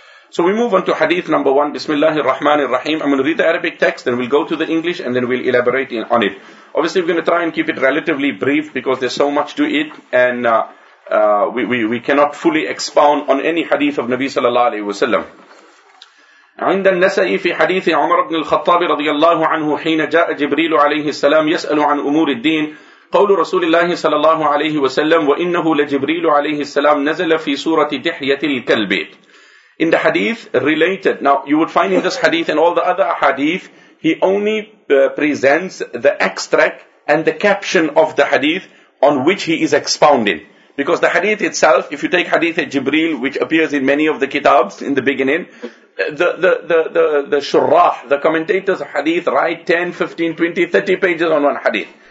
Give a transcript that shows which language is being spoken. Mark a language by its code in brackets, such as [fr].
[en] So we move on to hadith number one. Bismillahir Rahmanir Rahim. I'm going to read the Arabic text, then we'll go to the English, and then we'll elaborate on it. Obviously, we're going to try and keep it relatively brief because there's so much to it, and we cannot fully expound on any hadith of Nabi sallallahu alaihi wasallam. [ar] عند النسائي في حديث عمر بن الخطاب رضي الله عنه حين جاء جبريل عليه السلام يسأل عن أمور الدين قول رسول الله صلى الله عليه وسلم وإنه لجبريل عليه السلام نزل في سورة دحية الكلب. [en] In the hadith related, now you would find in this hadith and all the other hadith, he only presents the extract and the caption of the hadith on which he is expounding. Because the hadith itself, if you take hadith of Jibreel, which appears in many of the kitabs in the beginning, the shurrah, the commentators of hadith write 10, 15, 20, 30 pages on one hadith.